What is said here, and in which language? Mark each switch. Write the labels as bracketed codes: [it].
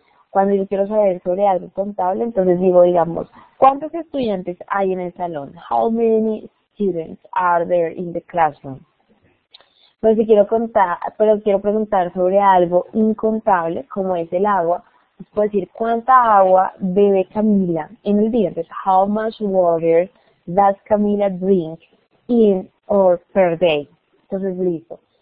[es] Cuando yo quiero saber sobre algo contable, entonces digo, digamos, ¿cuántos estudiantes hay en el salón? [en] How many students are there in the classroom? [es] Pues si quiero contar, pero quiero preguntar sobre algo incontable, como es el agua, pues puedo decir, ¿cuánta agua bebe Camila en el día? [en] Entonces, how much water does Camila drink in or per day? [es] Entonces, listo.